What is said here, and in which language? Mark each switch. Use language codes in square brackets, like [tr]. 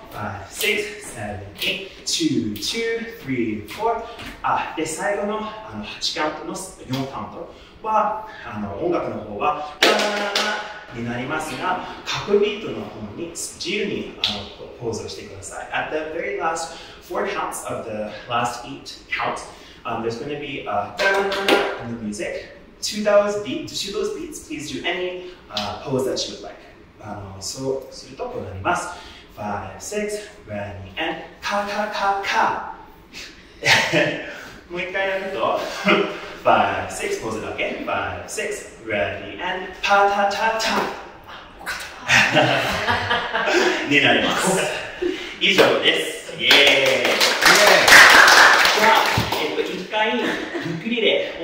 [en] 5, 6, 7, 8, 2, 2, 3, 4. [ja] で、最後の8カウントの4カウントは、音楽の方は、ダダダダになりますが、各ビートの方に自由にポーズをしてください。 [en] At the very last 4 counts of the last 8 count, there's going to be a ダダダダin the music. To those beats, to those beats please do any pose that you would like. [ja] そうするとこうなります。 5, 6, ready, and カカカカもう一回やると5, 6, ポーズだけ5, 6, ready, and パタタタになります以上ですイエーイ、yeah. じゃあ、1回ゆっくりで